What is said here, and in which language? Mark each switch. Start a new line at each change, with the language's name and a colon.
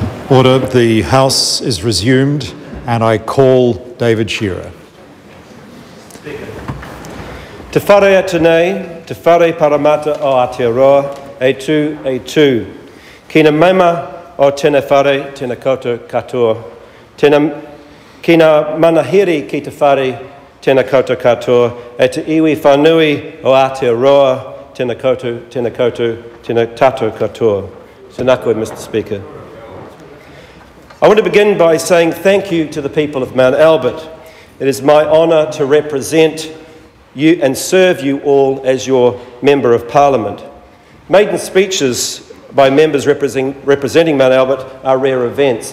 English: Order, the House is resumed, and I call David Shearer.
Māori: Te whare atinei, te whare paramata o Aotearoa, e tu, kina mema o tēnā whare, tēnā koutou katoa, tēnā, kina manahiri ki te whare, tēnā koutou katoa, e te iwi whanui o Aotearoa, tēnā koutou, tēnā tātou katoa. Tēnākoe,
English: Mr. Speaker. I want to begin by saying thank you to the people of Mount Albert. It is my honour to represent you and serve you all as your Member of Parliament. Maiden speeches by members representing Mount Albert are rare events.